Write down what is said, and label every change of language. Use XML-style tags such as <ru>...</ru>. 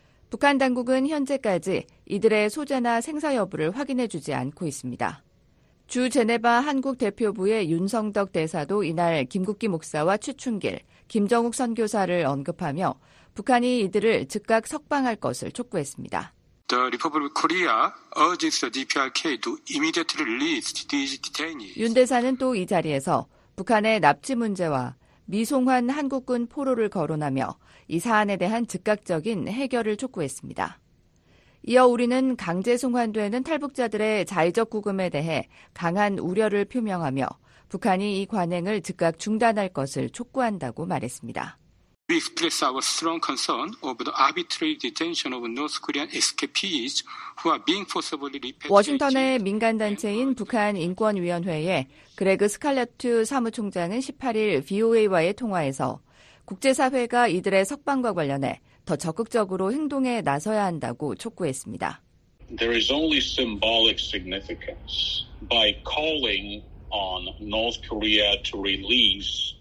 <ko>북한 당국은 현재까지 이들의 소재나 생사 여부를 확인해 주지 않고 있습니다. 주 제네바 한국 대표부의 윤성덕 대사도 이날 김국기 목사와 최충길, 김정욱 선교사를 언급하며 북한이 이들을 즉각 석방할 것을 촉구했습니다.</ko> <en>The Republic of Korea urges the DPRK to immediately release these detainees.</en> <ko>윤 대사는 또 이 자리에서 북한의 납치 문제와 미송환 한국군 포로를 거론하며 이 사안에 대한 즉각적인 해결을 촉구했습니다. 이어 우리는 강제 송환되는 탈북자들의 자의적 구금에 대해 강한 우려를 표명하며 북한이 이 관행을 즉각 중단할 것을 촉구한다고 말했습니다.</ko> <en>We express our strong concern over the arbitrary detention of North Korean escapees who are being forcibly repatriated.</en> <ko>워싱턴의 민간 단체인 북한 인권 위원회의 그레그 스칼레트 사무총장은 18일 VOA와의 통화에서 국제 사회가 이들의 석방과 관련해 더 적극적으로 행동에 나서야 한다고 촉구했습니다.</ko> <en>There is only symbolic significance by calling on North Korea to release.</en>